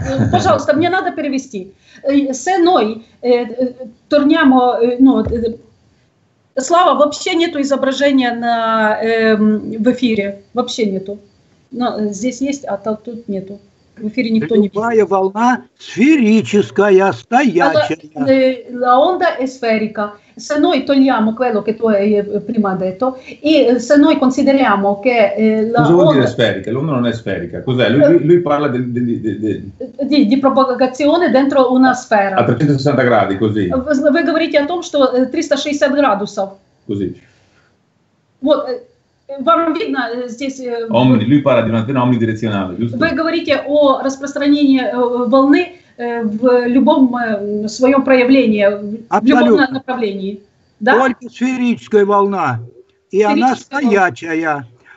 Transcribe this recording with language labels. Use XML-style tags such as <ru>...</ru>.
<ru>Пожалуйста, мне надо перевести.</ru> <it>Se noi torniamo,</it> <ru>ну, Слава, вообще нету изображения на, в эфире. Вообще нету. Но здесь есть, а то, тут нету. В эфире никто Любая не видит. Любая волна сферическая, стоящая.</ru> <it>La onda è sferica. Se noi togliamo quello che tu hai prima detto, e se noi consideriamo che la onda... Cosa vuol dire sferica? L'onda non è sferica. Cos'è? Lui parla di propagazione dentro una sfera. A 360 gradi, così.</it> <ru>Voi говорите о том, что 360 градусов.</ru> <it>Così.</it> <ru>Вот, вам видно здесь...</ru> <it>Lui parla di un'antenna omnidirezionale, giusto?</it> <ru>Voi говорите о распространении волны... в любом своем проявлении, Абсолютно. В любом направлении. Да? Только сферическая волна, и она стоячая.</ru>